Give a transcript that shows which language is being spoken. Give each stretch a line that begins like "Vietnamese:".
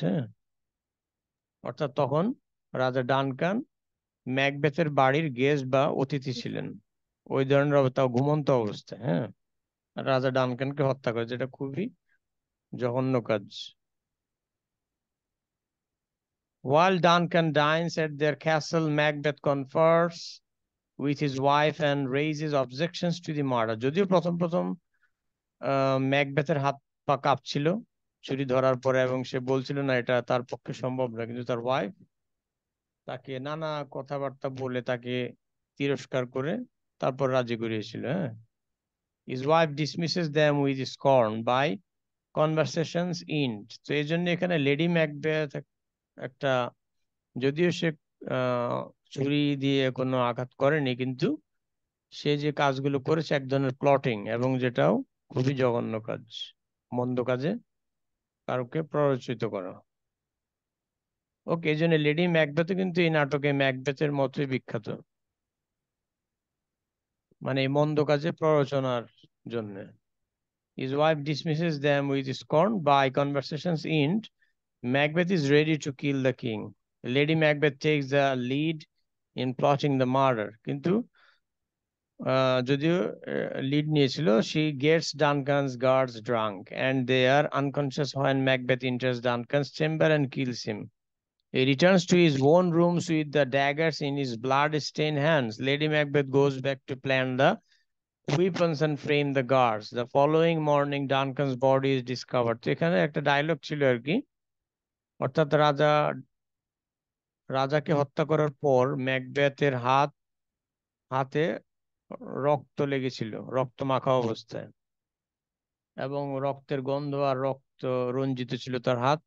Bangla: হ্যাঁ, অর্থাৎ তখন রাজা ডানকান ম্যাকবেথের বাড়ির গেস্ট বা অতিথি ছিলেন ওই ধরনের, তাও ঘুমন্ত অবস্থায়। হ্যাঁ, রাজা ডানকানকে হত্যা করে, যেটা খুবই জঘন্য কাজ।
English: While Duncan dines at their castle, Macbeth confers with his wife and raises objections to the murder.
Bangla: যদিও প্রথম প্রথম ম্যাকবেথের হাত পা কাঁপছিল ছুরি ধরার পরে, এবং সে বলছিল না এটা তার পক্ষে সম্ভব না, কিন্তু তার ওয়াইফ তাকে নানা কথাবার্তা বলে তাকে তিরস্কার করে তারপর রাজি করিয়েছিল।
English: হ্যাঁ, his wife dismisses them with scorn by conversations end.
Bangla: তো এই জন্য এখানে লেডি ম্যাকবেথ একটা, যদিও সে ছুরি দিয়ে কোনো আঘাত করেনি, কিন্তু সে যে কাজগুলো করেছে এক ধরনের প্লটিং, এবং যেটাও খুবই জঘন্য কাজ, মন্দ কাজে কারোকে প্ররোচিত করা। ওকে, এই জন্য লেডি ম্যাকবেথ কিন্তু এই নাটকে ম্যাকবেথের মতোই বিখ্যাত, মানে এই মন্দ কাজে প্ররোচনার জন্যে।
English: His wife dismisses them with scorn by conversation's end. Macbeth is ready to kill the king. Lady Macbeth takes the lead in plotting the murder.
Bangla: কিন্তু যদিও lead নিয়েছিল,
English: she gets Duncan's guards drunk and they are unconscious when Macbeth enters Duncan's chamber and kills him. He returns to his own rooms with the daggers in his blood-stained hands. Lady Macbeth goes back to plan the weapons and frame the guards. The following morning, Duncan's body is discovered.
Bangla: তো এখানে একটা dialogue ছিল আর কি, অর্থাৎ রাজা রাজাকে হত্যা করার পর ম্যাকবেথের হাত হাতে রক্ত লেগেছিল, রক্ত মাখা অবস্থায়, এবং রক্তের গন্ধ আর রক্ত রঞ্জিত ছিল তার হাত।